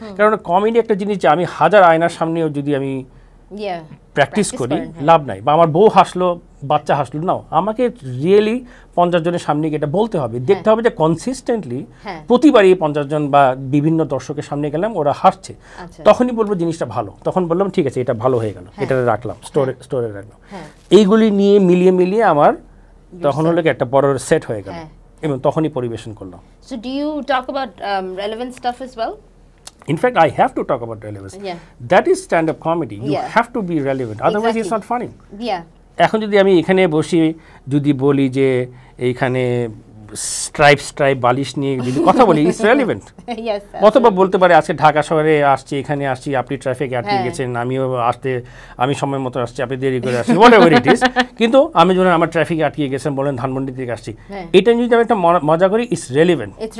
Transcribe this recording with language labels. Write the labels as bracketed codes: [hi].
[bn] কারণ কমেডি একটা জিনিস যে আমি 1000 আয়নার সামনেও যদি আমি প্র্যাকটিস করি লাভ নাই, বা আমার বউ হাসলো, বাচ্চা হাসলো, নাও আমাকে রিয়েলি 50 জনের সামনে গিয়ে এটা বলতে হবে, দেখতে হবে যে কনসিস্টেন্টলি প্রতিবারই 50 জন বা বিভিন্ন দর্শকের সামনে গেলাম ওরা হাসছে, তখনই বলবো জিনিসটা ভালো, তখন বললাম ঠিক আছে এটা ভালো হয়ে গেল, এটাতে রাখলাম স্টোরে রাখলাম, এইগুলি নিয়ে মিলিয়ে মিলিয়ে আমার তখন হলো একটা বড় সেট হয়ে গেল, এবং তখনই পরিবেশন করলাম। [en] So do you talk about relevant stuff as well? In fact, I have to talk about relevance. Yeah. That is stand-up comedy. You have to be relevant. Otherwise, it's not funny. Yeah. [bn] এখন যদি আমি এখানে বসি, যদি বলি যে এইখানে stripe বালিশ নিয়ে যদি কথা বলি, [en] It's relevant. [bn] অথবা বলতে পারে আজকে ঢাকা শহরে আসছি, এখানে আসছি, আপনি ট্রাফিক আটকে গেছেন, আমিও আসতে, আমি সময় মতো আসছি, আপনি দেরি করে আসছেন, [en] whatever it is, [bn] কিন্তু আমি যখন আমার ট্রাফিক আটকে গেছেন বলেন ধানমন্ডি থেকে আসছি, এটা যদি আমি একটা মজা করি, [en] It's relevant.